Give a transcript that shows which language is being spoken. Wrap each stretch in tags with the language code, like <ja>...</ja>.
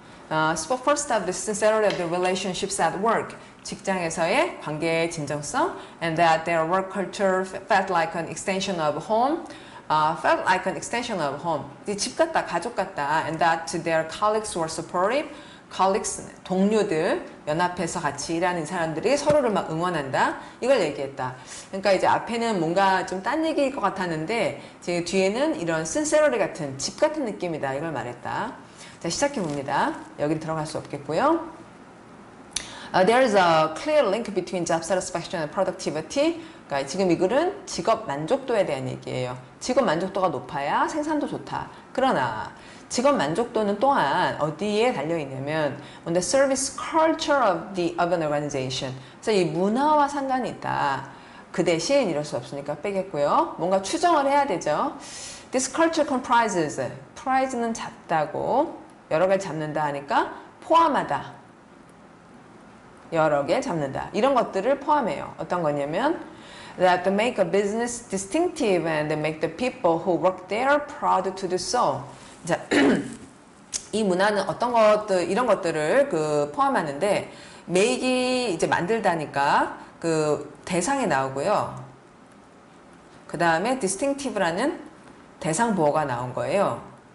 <en>Spoke first of the sincerity of the relationships at work.</en> <ko>직장에서의 관계의 진정성.</ko> <en>And that their work culture felt like an extension of home. Felt like an extension of home.</en> <ko>집 같다, 가족 같다.</ko> <en>And that to their colleagues were supportive.</en> <ko>Colleagues, 동료들, 연합해서 같이 일하는 사람들이 서로를 막 응원한다. 이걸 얘기했다. 그러니까 이제 앞에는 뭔가 좀딴 얘기일 것 같았는데, 지금 뒤에는 이런 sincerity 같은, 집 같은 느낌이다. 이걸 말했다. 자, 시작해봅니다. 여기 들어갈 수 없겠고요.</ko> <en>There is a clear link between job satisfaction and productivity.</en> <ko>그러니까 지금 이 글은 직업 만족도에 대한 얘기예요. 직업 만족도가 높아야 생산도 좋다. 그러나 직업 만족도는 또한 어디에 달려있냐면</ko> <en>on the service culture of the of an organization.</en> <ko>그래서 이 문화와 상관이 있다. 그 대신 이럴 수 없으니까 빼겠고요. 뭔가 추정을 해야 되죠.</ko> <en>This culture comprises.</en> <ko>prize는 잡다고. 여러 개 잡는다 하니까 포함하다. 여러 개 잡는다. 이런 것들을 포함해요. 어떤 거냐면</ko> <en>that to make a business distinctive and make the people who work there proud to do so.</en> <ko>자, 이 문화는 어떤 것들 이런 것들을 포함하는데 make이 이제 만들다니까 그 대상에 나오고요. 그 다음에 distinctive라는 대상 보호가 나온 거예요.</ko>